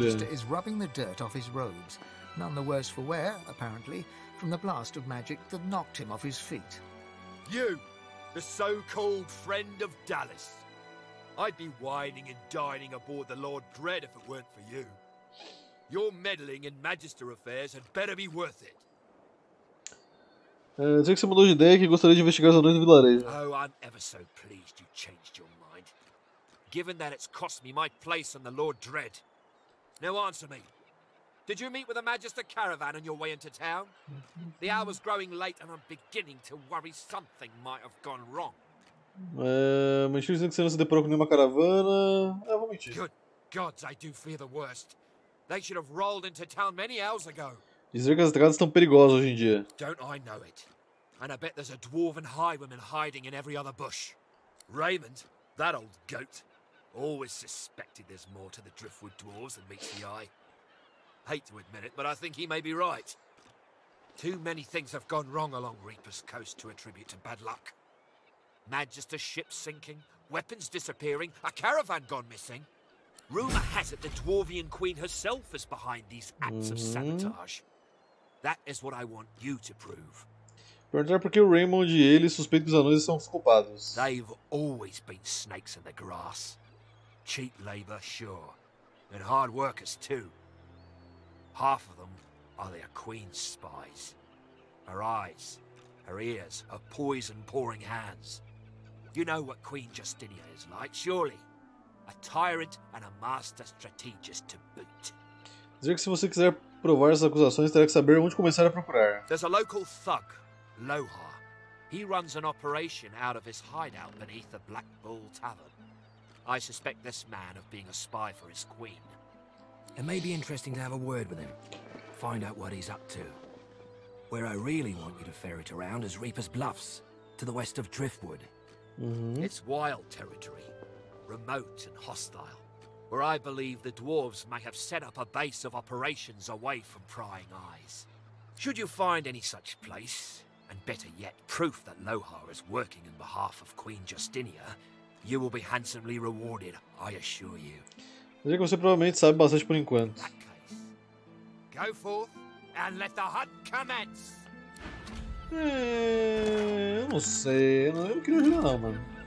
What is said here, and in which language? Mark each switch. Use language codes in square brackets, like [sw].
[en] Magister is rubbing the dirt off his robes. None the worse for wear, apparently, from the blast of magic that knocked him off his feet. You, the so-called friend of Dallas. I'd be whining and dining aboard the Lord Dread if it weren't for you. Your meddling in Magister affairs had better be worth it. [pt] Dizer que você mudou de ideia, que gostaria de investigar os anões do vilarejo. [en] Oh, I'm ever so pleased you changed your mind. Given that it's cost me my place on the Lord Dread. Now answer me. Did you meet with a Magister caravan on your way into town? The hour's growing late and I'm beginning to worry something might have gone wrong. [pt] Mentira dizendo que você não se deparou com nenhuma caravana. Eu vou mentir. [en] Good gods, I do fear the worst. They should have rolled into town many hours ago. [pt] Dizer que as estradas estão perigosas hoje em dia. [en] Don't I know it? And I bet there's a dwarven highwayman hiding in every other bush. Raymond, that old goat, always suspected there's more to the driftwood dwarves than meets the eye. Hate to admit it, but I think he may be right. Too many things have gone wrong along Reaper's Coast to attribute to bad luck. Magister ship sinking, weapons disappearing, a caravan gone missing. Rumor has it the Dwarvian Queen herself is behind these acts of sabotage. That is what I want you to prove. [pt] Perguntar por que o Raymond e ele suspeitam que os anões são culpados. [en] They've always been snakes in the grass. Cheap labor, sure. And hard workers, too. Half of them are their Queen's spies. Her eyes, her ears, her poison-pouring hands. You know what Queen Justinia is like, surely. A tyrant and a master strategist to boot. [pt] Dizer que se você quiser provar essas acusações, terá que saber onde começar a procurar. [en] There's a local thug, Loha. He runs an operation out of his hideout beneath the Black Bull Tavern. I suspect this man of being a spy for his queen. It may be interesting to have a word with him. Find out what he's up to. Where I really want you to ferret around is Reaper's Bluffs, to the west of Driftwood. Mm-hmm. It's wild territory, remote and hostile, where I believe the dwarves may have set up a base of operations away from prying eyes. Should you find any such place, and better yet, proof that Loha is working in behalf of Queen Justinia, you will be handsomely rewarded, I assure you. [pt] Veja que você provavelmente sabe bastante por enquanto. [en] Go forth and let the hunt commence. [pt] Eu não sei, eu não queria ajudar não, mano.